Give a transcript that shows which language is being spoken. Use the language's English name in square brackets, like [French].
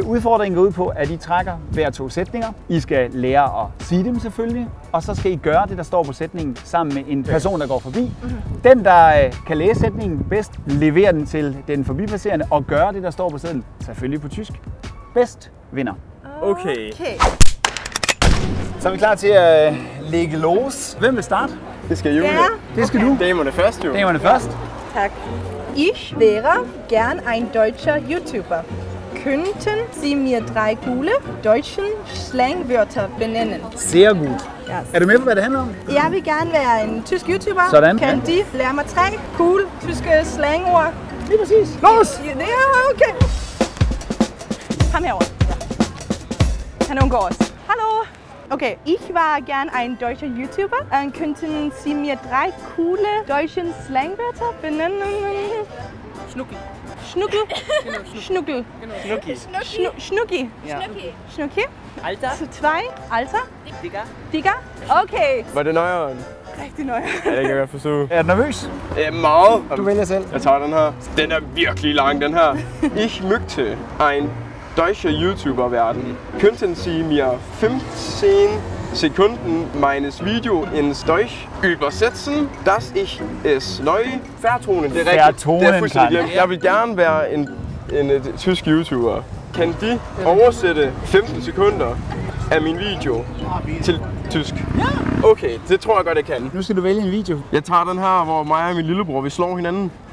[Danish] Udfordringen går ud på, at I trækker hver to sætninger. I skal lære at sige dem selvfølgelig, og så skal I gøre det, der står på sætningen, sammen med en person, der går forbi. Den, der kan læse sætningen bedst, leverer den til den forbipasserende og gør det, der står på sætningen, selvfølgelig på tysk, bedst vinder. Okay. Så er vi klar til at lægge los. Hvem vil starte? Det skal Julie. Ja. Det skal du. Damerne først, jo. Damerne først. Tak. [German] Ich wäre gern ein deutscher YouTuber. Könnten Sie mir drei coole deutschen Slangwörter benennen? Sehr gut. [English] Yes. [Danish] Er du med på, hvad det handler om? Jeg vil gerne være en tysk YouTuber. Sådan. Kan de lære mig tre cool tyske slangord? Lige præcis. [German] Los! [Danish] Ja, okay. Kom herover. Han undgår os. [German] Hallo. Okay, ich war gern ein deutscher YouTuber. Könnten Sie mir drei coole deutsche Slangwörter benennen? Schnuckel. Schnuckel. Genau, Schnuckel. Schnuckel. Schnucki. Schnucki. Schnucki. Alter. Zu zwei. Alter. Digger. Digger. Okay. War der neueren? [Danish] Rigtig neuer. Ja, det kan jeg forsøge. Er du nervøs? Ja, meget. Du vælger selv. Jeg tager den her. Den er virkelig lang, den her. [German] Ich mögte ein deutsche YouTuber-verden. Könnten Sie mir 15 Sekunden meines Video ins Deutsch übersetzen, dass ich es neu vertonen kann? Vertonen kann. [Danish] Jeg vil gerne være en tysk YouTuber. Kan de oversætte 15 sekunder af min video til tysk? Ja! Okay, det tror jeg godt, jeg kan. Nu skal du vælge en video. Jeg tager den her, hvor mig og min lillebror, vi slår hinanden.